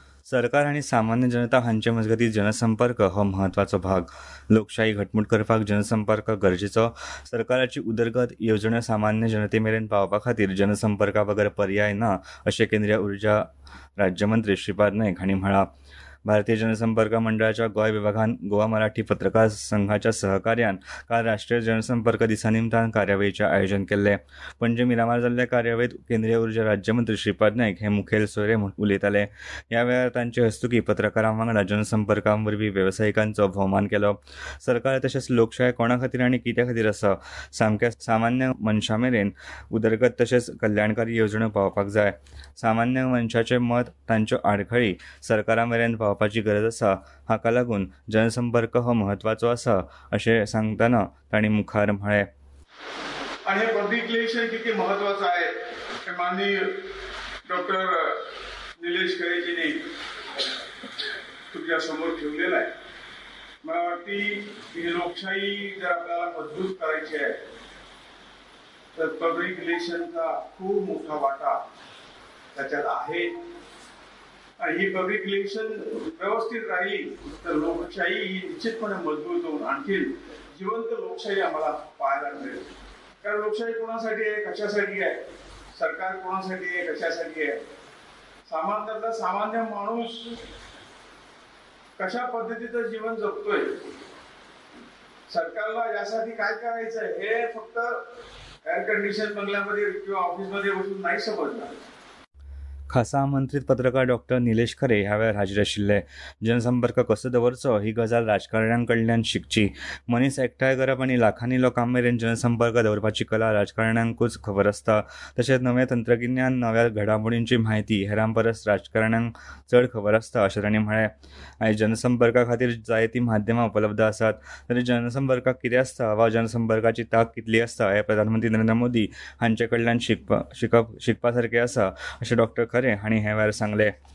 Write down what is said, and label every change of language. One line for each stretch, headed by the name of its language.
Goan Konkani: सरकार आनी सामान्य जनता हांचे मजगतीं जनसंपर्क हो म्हत्वाचो भाग. लोकशाही घटमूट करपाक जनसंपर्क गरजेचो. सरकाराची उदरगत येवजण्यो सामान्य जनते मेरेन पावपा खातीर जनसंपर्का बगर पर्याय ना अशें केंद्रीय उर्जा राज्यमंत्री श्रीपाद नायक हांणी म्हळां. भारतीय जनसंपर्क मंडळाच्या गोंय विभागान गोवा मराठी पत्रकार संघाच्या सहकार्यान काल राष्ट्रीय जनसंपर्क दिसा निमतान कार्यावळीचे आयोजन केल्ले. पणजे मिरामार जाल्ल्या कार्यावळीत केंद्रीय उर्जा राज्यमंत्री श्रीपाद नायक हे मुखेल सोयरे म्हणून उलयताले. ह्या वेळार तांचे हस्तुकी पत्रकारां वांगडा जनसंपर्कावरवीं वेवसायिकांचो भोवमान केलो. सरकार तशेंच लोकशाय कोणा खातीर आनी कित्या खातीर आसा, सामक्या सामान्य मनशा मेरेन उदरगत तशेंच कल्याणकारी येवजण्यो पावपाक जाय. सामान्य मनशाचें मत, तांच्यो आडखळी सरकारा मेरेन पावपाची गरज आसा. हाका लागून जनसंपर्क हो म्हत्वाचो आसा अशें सांगतना तांणी मुखार म्हळें.
Marathi: आनी हें पब्लिकेशन कितें म्हत्वाचो आहे हे माननीय डॉक्टर निलेश खरेजींनी तुमच्या समोर ठेवलेलं आहे. मला वाटते ही लोकशाही जर आपल्याला मजबूत करायची आहे तर पब्लिकेशनचा खूप मोठा वाटा त्याच्यात आहे. ही पब्लिक रिलेशन व्यवस्थित राहील तर लोकशाही ही निश्चितपणे मजबूत होऊन आणखी जिवंत लोकशाही आम्हाला पाहायला मिळेल. कारण लोकशाही कोणासाठी आहे, कशासाठी आहे, सरकार कोणासाठी आहे, कशासाठी आहे, सामान्यतः सामान्य माणूस कशा पद्धतीचं जीवन जगतोय, सरकारला यासाठी काय करायचं आहे हे फक्त एअर कंडिशन बंगल्यामध्ये किंवा ऑफिसमध्ये बसून नाही समजणार.
Goan Konkani: खासा आमंत्रित पत्रकार डॉक्टर निलेश खरे ह्या वेळार हाजीर आशिल्ले. जनसंपर्क कसो दवरचो ही गजाल राजकारण्यां कडल्यान शिकची. मनीस एकठांय करप आनी लाखांनी लोकां मेरेन जनसंपर्क दवरपाची कला राजकारण्यांकूच खबर आसता. तशेंच नवें तंत्रगिन्यान नव्या घडामोडींची म्हायती हेरां परस राजकारण्यांक चड खबर आसता अशें तांणी म्हळें. आयज जनसंपर्का खातीर जायतीं माध्यमां उपलब्ध आसात. तरी जनसंपर्काक कितें आसता वा जनसंपर्काची तांक कितली आसता हें प्रधानमंत्री नरेंद्र मोदी हांचे कडल्यान शिकपा सारकें आसा अशें डॉक्टर खरे हांणी हे वेळार सांगले.